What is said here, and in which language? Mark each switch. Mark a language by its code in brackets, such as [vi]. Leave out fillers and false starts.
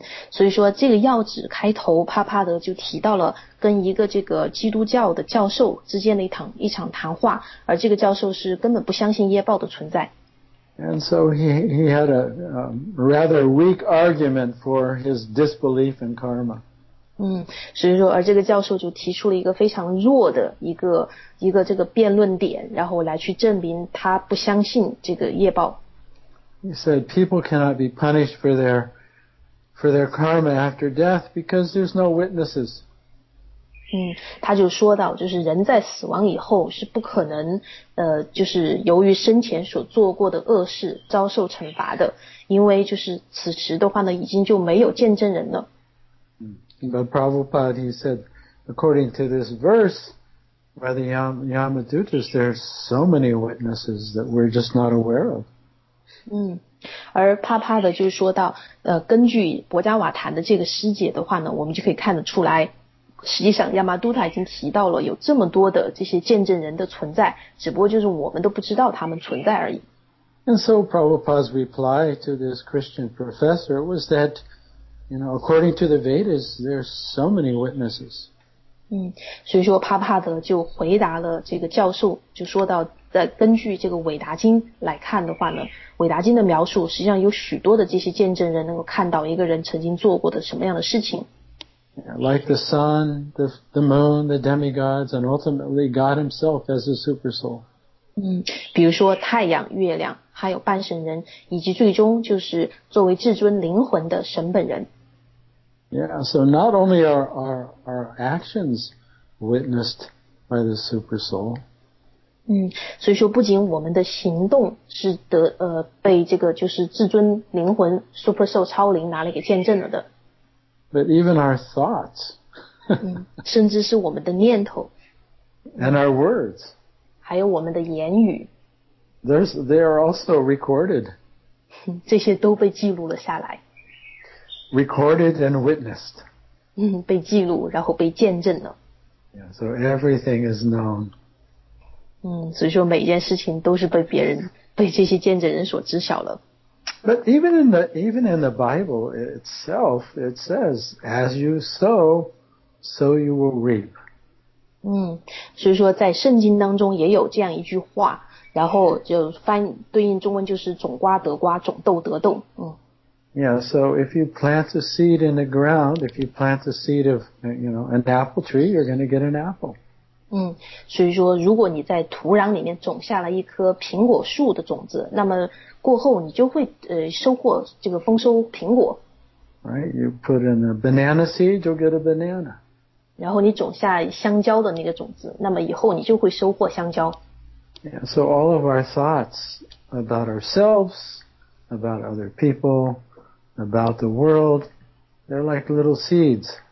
[zh] 所以说这个要旨开头帕帕德就提到了跟一个这个基督教的教授之间的一场谈话，而这个教授是根本不相信业报的存在。 [en] And so he had a rather weak argument for his disbelief in karma. [zh] 所以说而这个教授就提出了一个非常弱的一个这个辩论点，然后来去证明他不相信这个业报。 [en] He said people cannot be punished for their karma after death because there's no witnesses. [zh] 他就说到，就是人在死亡以后是不可能就是由于生前所做过的恶事遭受惩罚的，因为就是此时的话呢已经就没有见证人了。 [en] But Prabhupada, he said, according to this verse, by the Yamadutas, there are so many witnesses that we're just not aware of. [zh] 而帕帕的就说到根据博加瓦坦的这个师姐的话呢，我们就可以看得出来，实际上亚麻都塔已经提到了有这么多的这些见证人的存在，只不过就是我们都不知道他们存在而已。 [en] And so Prabhupada's reply to this Christian professor was that, you know, according to the Vedas, there are so many witnesses. [zh] 所以说帕帕的就回答了这个教授，就说到在根据这个韦达经来看的话呢，韦达经的描述实际上有许多的这些见证人能够看到一个人曾经做过的什么样的事情。 [en] Like the sun, the moon, the demigods, and ultimately God himself as a super soul. [zh] 比如说太阳、月亮，还有半神人，以及最终就是作为至尊灵魂的神本人。 [en] Yeah, so not only are our actions witnessed by the super soul. [zh] 所以说不仅我们的行动是被这个就是至尊灵魂 super soul 超灵拿来给见证了的。 [en] But even our thoughts, [zh] 甚至是我们的念头 [en] and our words, [zh] 还有我们的言语 [en] they are also recorded, [zh] 这些都被记录了下来 [en] recorded and witnessed, [zh] 被记录然后被见证了 [en] yeah, so everything is known, [zh] 所以说每件事情都是被别人被这些见证人所知晓了。 [en] But even in the Bible itself, it says, as you sow, so you will reap. [zh] 所以说在圣经当中也有这样一句话，然后就翻对应中文就是种瓜得瓜，种豆得豆。 [en] Yeah, so if you plant a seed in the ground, if you plant a seed of, you know, an apple tree, you're going to get an apple. [zh] 所以说如果你在土壤里面种下了一棵苹果树的种子，那么过后你就会收获这个丰收苹果。 [en] Right, you put in a banana seed, you'll get a banana. [zh] 然后你种下香蕉的那个种子，那么以后你就会收获香蕉。 [en] Yeah, so all of our thoughts about ourselves, about other people, about the world, they're like little seeds.